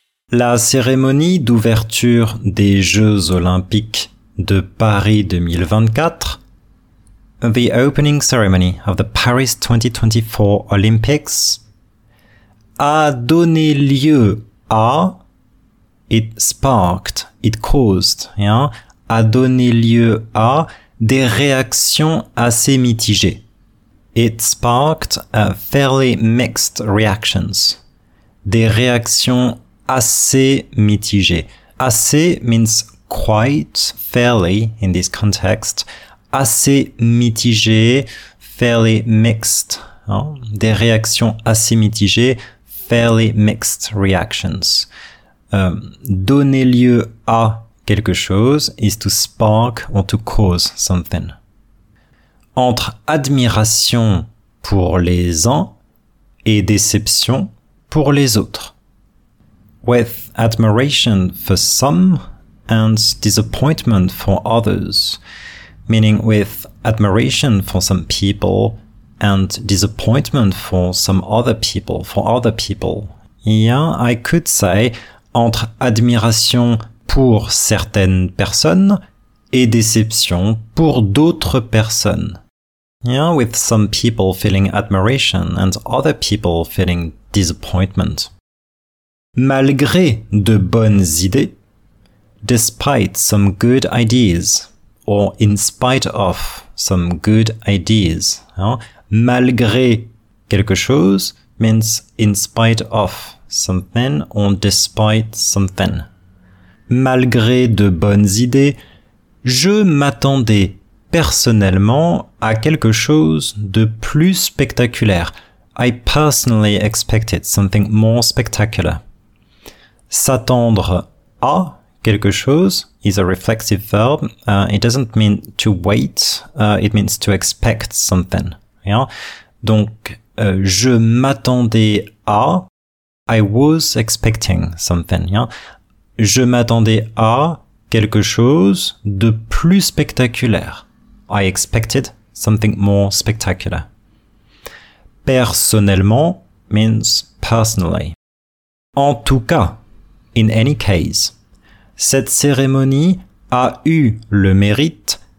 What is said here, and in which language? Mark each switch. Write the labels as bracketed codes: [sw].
[fr] La cérémonie d'ouverture des Jeux Olympiques de Paris 2024, [en] The Opening Ceremony of the Paris 2024 Olympics, [fr] a donné lieu à, [en] it sparked, it caused, [fr] a donné lieu à des réactions assez mitigées. [en] It sparked a fairly mixed reactions. [fr] Des réactions assez mitigées. [en] Assez means quite, fairly in this context. [fr] Assez mitigé, [en] fairly mixed. [fr] Des réactions assez mitigées, [en] fairly mixed reactions. [fr] Donner lieu à quelque chose [en] is to spark or to cause something. [fr] Entre admiration pour les uns et déception pour les autres. [en] With admiration for some and disappointment for others. Meaning with admiration for some people and disappointment for some other people, for other people. Yeah, I could say [fr] entre admiration pour certaines personnes et déception pour d'autres personnes. [en] Yeah, with some people feeling admiration and other people feeling disappointment. [fr] Malgré de bonnes idées, [en] despite some good ideas, or in spite of some good ideas. Hein? [fr] Malgré quelque chose [en] means in spite of something or despite something. [fr] Malgré de bonnes idées, je m'attendais personnellement à quelque chose de plus spectaculaire. [en] I personally expected something more spectacular. [fr] S'attendre à quelque chose [en] is a reflexive verb. It doesn't mean to wait. It means to expect something. Yeah? [fr] Donc, je m'attendais à. [en] I was expecting something. Yeah? [fr] Je m'attendais à quelque chose de plus spectaculaire. [en] I expected something more spectacular. Personnellement means personally. [fr] En tout cas, [en] in any case, [fr] cette cérémonie a eu le mérite.